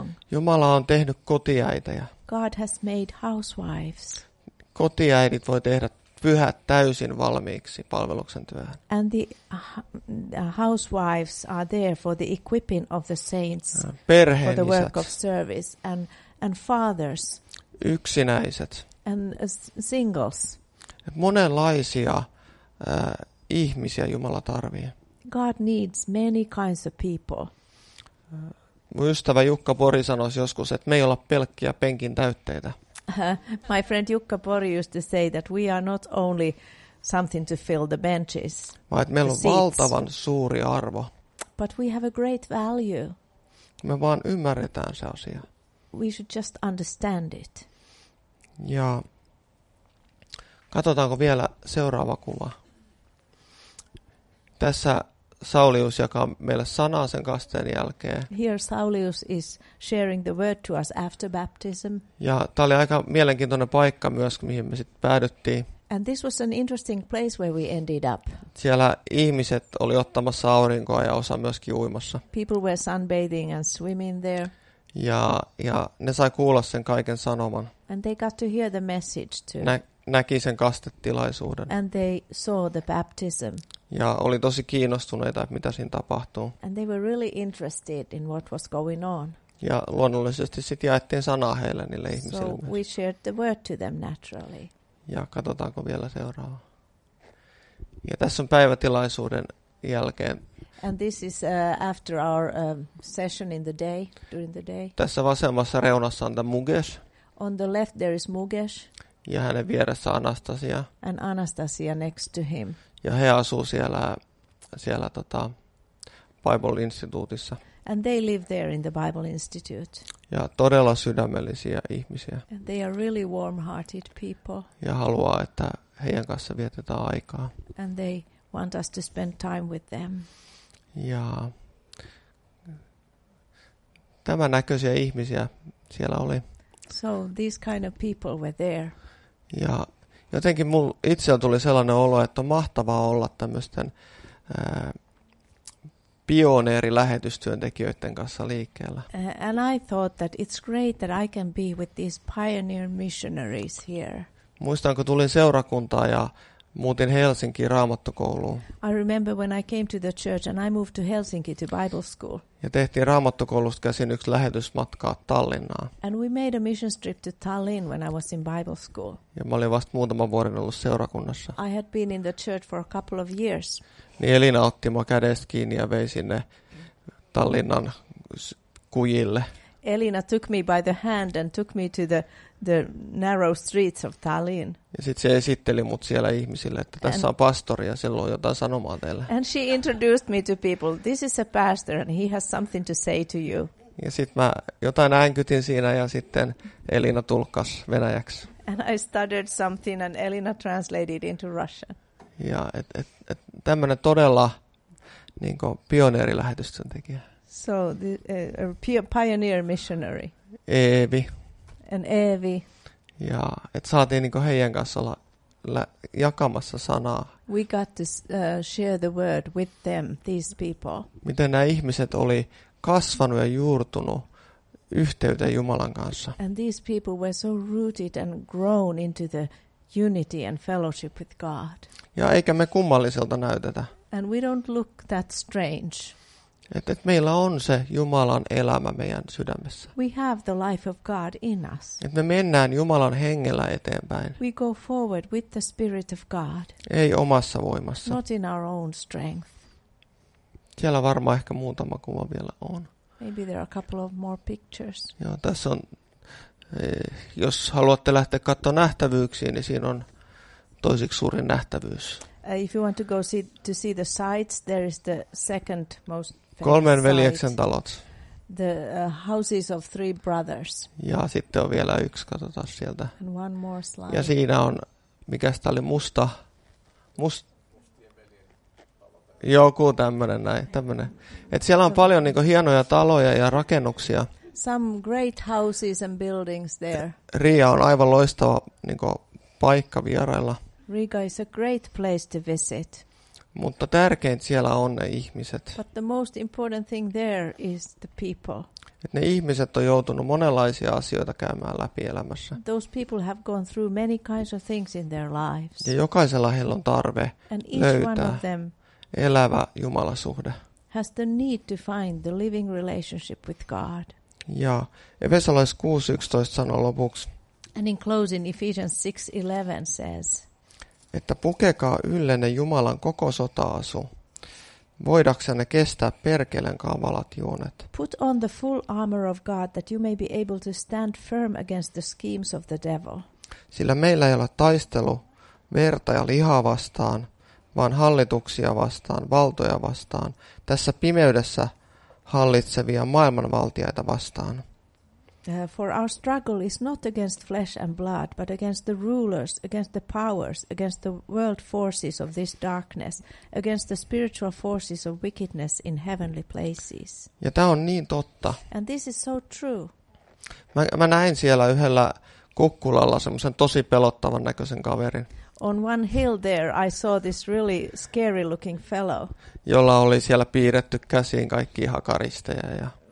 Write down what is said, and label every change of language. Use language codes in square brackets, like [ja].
[fi] Jumala on tehnyt kotiäitejä. [en] God has made housewives. [fi] kotiäidit voi tehdä pyhät täysin valmiiksi palveluksen työhön. [en] And the housewives are there for the equipping of the saints for the work of service and fathers. [fi] Yksinäiset. [en] And singles. [fi] Monenlaisia ihmisiä Jumala tarvii. [en] God needs many kinds of people. [fi] Mun ystävä Jukka Pori sanoisi joskus, että me ei olla pelkkiä penkin täytteitä. [en] My friend Jukka Pori used to say that we are not only something to fill the benches. [fi] Vaan meillä on valtavan suuri arvo. [en] But we have a great value. [fi] Me vaan ymmärretään se asia. [en] We should just understand it. [fi] Ja katsotaanko vielä seuraava kuva. Tässä Saulius jakaa meille sanaa sen kasteen jälkeen. [en] Here Saulius is sharing the word to us after baptism. [fi] Ja tämä oli aika mielenkiintoinen paikka myös, mihin me sitten päädyttiin. [en] And this was an interesting place where we ended up. [fi] Siellä ihmiset oli ottamassa aurinkoa ja osa myöskin uimassa. [en] People were sunbathing and swimming there. [fi] Ja ne sai kuulla sen kaiken sanoman. [en] And they got to hear the message too. [fi] Näki sen kastetilaisuuden. [en] And they saw the baptism. [fi] Ja oli tosi kiinnostuneita, että mitä siinä tapahtuu. [en] And they were really interested in what was going on. [fi] Ja luonnollisesti sitten jaettiin sanaa heille niille ihmisille. [en] So we shared the word to them naturally. [fi] Ja katsotaanko vielä seuraava. Ja tässä on päivätilaisuuden jälkeen. [en] And this is after our session in the day, during the day. [fi] Tässä vasemmassa reunassa on tämä Mugesh. [en] On the left there is Mugesh. [fi] Ja hänen vieressä Anastasia. [en] And Anastasia next to him. [fi] Ja he asuu siellä Bible Instituutissa. [en] And they live there in the Bible Institute. [fi] Ja todella sydämellisiä ihmisiä. [en] And they are really warm-hearted people. [fi] Ja haluaa, että heidän kanssa vietetään aikaa. [en] And they want us to spend time with them. [fi] Ja tämän näköisiä ihmisiä siellä oli. [en] So these kind of people were there. [fi] Ja jotenkin mul itseä tuli sellainen olo, että on mahtavaa olla tämmöisten pioneerilähetystyöntekijöiden kanssa liikkeellä. [en] And I thought that it's great that I can be with these pioneer missionaries here. [fi] Muistan, kun tulin seurakuntaan ja muutin Helsinkiin raamattokouluun. [en] I remember when I came to the church and I moved to Helsinki to Bible school. [fi] Ja tehtiin raamattokoulusta käsin yksi lähetysmatkaa Tallinnaan. [en] And we made a mission trip to Tallinn when I was in Bible school. [fi] Ja mä olin vasta muutaman vuoden ollut seurakunnassa. [en] I had been in the church for a couple of years. [fi] Niin Elina otti mua kädestä kiinni ja vei sinne Tallinnan kujille. [en] Elina took me by the hand and took me to the narrow streets of Tallinn. [fi] Ja sit se esitteli mut siellä ihmisille, että tässä on pastori ja sillä on jotain sanomaa teille. [en] And she introduced me to people. This is a pastor and he has something to say to you. [fi] Ja sit mä jotain äänkytin siinä ja sitten Elina tulkkas venäjäksi. [en] And I stuttered something and Elina translated into Russian. [fi] Ja et tämmönen todella niinku pioneerilähetystön tekijä. [en] So a pioneer missionary. [fi] Eevi. [en] And Eevi. [fi] Ja et saatiin niinku heidän kanssa olla jakamassa sanaa. [en] We got to share the word with them, these people. [fi] Miten nämä ihmiset oli kasvanut ja juurtunut yhteyteen Jumalan kanssa. [en] And these people were so rooted and grown into the unity and fellowship with God. [fi] Ja eikä me kummalliselta näytetä. [en] And we don't look that strange. [fi] Et meillä on se Jumalan elämä meidän sydämessä. [en] We have the life of God in us. [fi] Et me mennään Jumalan hengellä eteenpäin. [en] We go forward with the Spirit of God. [fi] Ei omassa voimassa. [en] Not in our own strength. [fi] Siellä varmaan ehkä muutama kuva vielä on. [en] Maybe there are a couple of more pictures. [fi] Joo, tässä on, jos haluatte lähteä katsoa nähtävyyksiä, niin siinä on toiseksi suurin nähtävyys. [en] If you want to go to see the sites, there is the second most. [fi] Kolmen veljeksen talot. [en] The houses of three brothers. [fi] Ja sitten on vielä yksi, katsotaan sieltä. [en] And one more slide. [fi] Ja siinä on, mikäs tää oli, musta? Joku tämmönen näin, tämmönen. Et siellä on paljon niinku hienoja taloja ja rakennuksia. [en] Some great houses and buildings there. [fi] Riga on aivan loistava niinku paikka vierailla. [en] Riga is a great place to visit. [fi] Mutta tärkeintä siellä on ne ihmiset. [en] But the most important thing there is the people. [fi] Että ne ihmiset on joutunut monenlaisia asioita käymään läpi elämässä. [en] Those people have gone through many kinds of things in their lives. [fi] Ja jokaisella heillä on tarve löytää elävä Jumalasuhde. [en] Has the need to find the living relationship with God. [fi] Ja Efesolais 6:11 sanoo lopuksi. [en] And in closing Ephesians 6:11 says. [fi] Että pukekaa yllenne Jumalan koko sota-asu. Voidaksenne kestää perkeleen kamalat juonet. [en] Put on the full armor of God that you may be able to stand firm against the schemes of the devil. [fi] Sillä meillä ei ole taistelu verta ja lihaa vastaan, vaan hallituksia vastaan, valtoja vastaan, tässä pimeydessä hallitsevia maailmanvaltiaita vastaan. [en] For our struggle is not against flesh and blood, but against the rulers, against the powers, against the world forces of this darkness, against the spiritual forces of wickedness in heavenly places. [fi] Ja tämä on niin totta. [en] And this is so true. [fi] Mä näin siellä yhdellä kukkulalla semmoisen tosi pelottavan näköisen kaverin. [en] On one hill there I saw this really scary looking fellow. [fi] Jolla oli siellä piirretty käsiin kaikki hakaristeja ja